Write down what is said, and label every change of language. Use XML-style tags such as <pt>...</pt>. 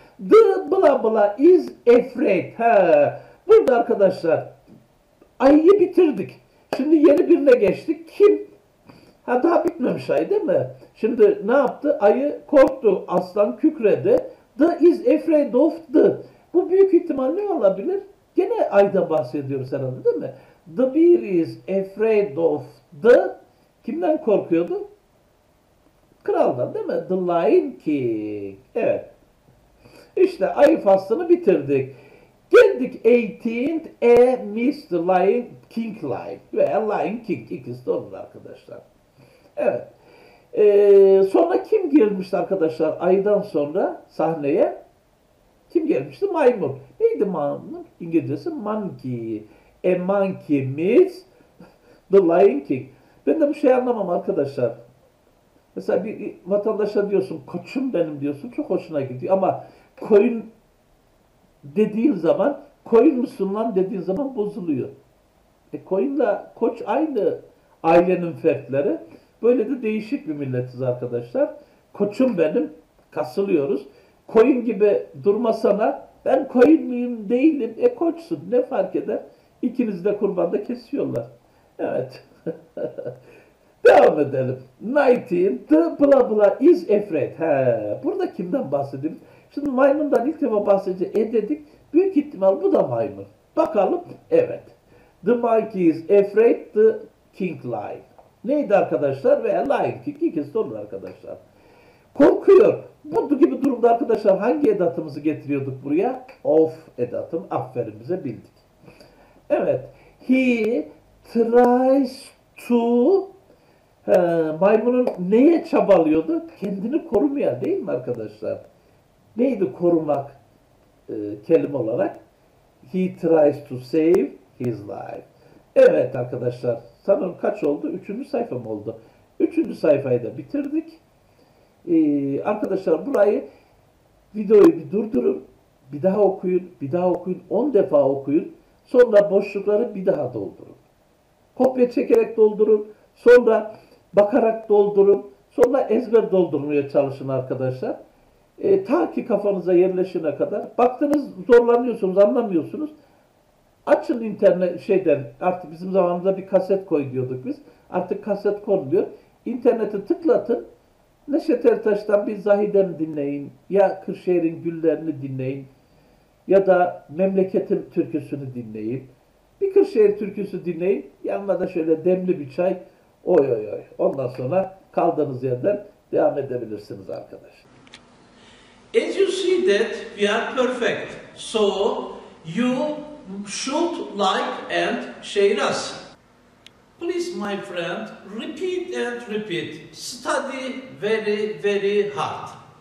<en>The blah blah is afraid.</en> <tr>Ha. Burada arkadaşlar ayıyı bitirdik. Şimdi yeni birine geçtik. Kim? Ha, daha bitmemiş ayı değil mi? Şimdi ne yaptı? Ayı korktu. Aslan kükredi.</tr> <en>The is afraid of the.</en> <tr>Bu büyük ihtimal ne olabilir? Gene ayda bahsediyoruz herhalde değil mi?</tr> <en>The bear is afraid of the.</en> <tr>Kimden korkuyordu? Kraldan değil mi?</tr> <en>The Lion King. Evet.</en> <tr>İşte ayı faslını bitirdik. Geldik 18th a Mr. Lion King Lion veya Lion King. İkisi de olur arkadaşlar. Evet. Sonra kim girmişti arkadaşlar ayıdan sonra sahneye? Kim gelmişti? Maymun. Neydi maymun? İngilizcesi monkey.</tr> <en>A monkey meets the Lion King.</en> <tr>Ben de bu şeyi anlamam arkadaşlar. Mesela bir vatandaşa diyorsun koçum benim diyorsun çok hoşuna gidiyor ama koyun dediğin zaman koyun musun lan dediğin zaman bozuluyor. Koyunla koç aynı ailenin fertleri. Böyle de değişik bir milletiz arkadaşlar. Koçum benim kasılıyoruz. Koyun gibi durmasana ben koyun muyum değilim koçsun ne fark eder? İkiniz de kurbanda kesiyorlar. Evet. Devam edelim. 19.</tr> <en>The blah blah is afraid.</en> <tr>Ha, burada kimden bahsedeyim? Şimdi maymundan ilk defa bahsedeceğim. Dedik. Büyük ihtimal bu da maymun. Bakalım. Evet.</tr> <en>The monkey is afraid the king lion.</en> <tr>Neydi arkadaşlar? Veya lion king. İkisi de olur arkadaşlar. Korkuyor. Bu gibi durumda arkadaşlar hangi edatımızı getiriyorduk buraya? Of edatım. Aferin bize bildik. Evet.</tr> <en>He tries to</en> <tr>maymunun neye çabalıyordu? Kendini korumaya değil mi arkadaşlar? Neydi korumak kelime olarak?</tr> <en>He tries to save his life.</en> <tr>Evet arkadaşlar. Sanırım kaç oldu? Üçüncü sayfa mı oldu? Üçüncü sayfayı da bitirdik. Arkadaşlar burayı videoyu bir durdurun. Bir daha okuyun. Bir daha okuyun. 10 defa okuyun. Sonra boşlukları bir daha doldurun. Kopya çekerek doldurun. Sonra bakarak doldurun. Sonra ezber doldurmaya çalışın arkadaşlar. Ta ki kafanıza yerleşene kadar. Baktınız zorlanıyorsunuz, anlamıyorsunuz. Açın internet şeyden. Artık bizim zamanımızda bir kaset koy diyorduk biz. Artık kaset konmuyor. İnterneti tıklatın. Neşet Ertaş'tan bir Zahide'm dinleyin. Ya Kırşehir'in Güllerini dinleyin. Ya da Memleketim Türküsünü dinleyin. Bir Kırşehir Türküsü dinleyin. Yanına da şöyle demli bir çay. Oy oy oy. Ondan sonra kaldığınız yerden devam edebilirsiniz arkadaşlar.</tr> <en>As you see that we are perfect. So you should like and share us. Please my friend, repeat and repeat. Study very, very hard.</en>